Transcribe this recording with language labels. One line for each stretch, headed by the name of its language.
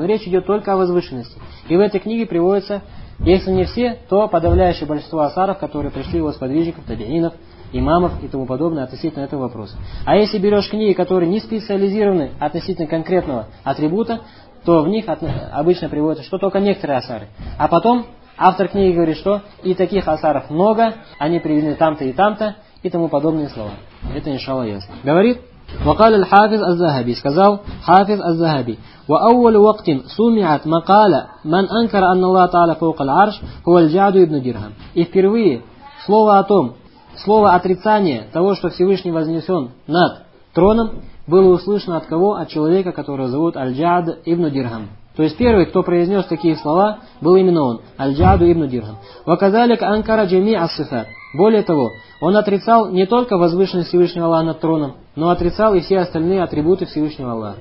Russian: Но речь идет только о возвышенности. И в этой книге приводятся, если не все, то подавляющее большинство асаров, которые пришли от сподвижников, табиинов, имамов и тому подобное относительно этого вопроса. А если берешь книги, которые не специализированы относительно конкретного атрибута, то в них обычно приводится, что только некоторые асары. А потом автор книги говорит, что и таких асаров много, они приведены там-то и там-то, и тому подобные слова. Это иншаллах ясно. Говорит,
Arabic: وَقَالَ الْحَافِظ الزَّهَبِي
Russian: сказал
Arabic: حَافِظ الزَّهَبِي وَأَوَّلُ وَقْتٍ سُمِعَتْ مَقَالَ مَنْ أَنْكَرَ أَنَّ اللَّهَ تَعَالَى فَوْقَ الْعَرْشِ هُوَ الْجَعْدُ ابْنُ دِرْهَمٍ.
Russian: И впервые слово о том, слово отрицание того, что Всевышний вознесен над троном, было услышано от кого? От человека, которого зовут Аль-Джад ибн Дирхам. То есть первый, кто произнес такие слова, был именно он, Аль-Джаду ибн Дирхам.
Arabic: «Ваказалик анкара джами ас-сифат».
Russian: Более того, он отрицал не только возвышенность Всевышнего Аллаха над троном, но отрицал и все остальные атрибуты Всевышнего Аллаха.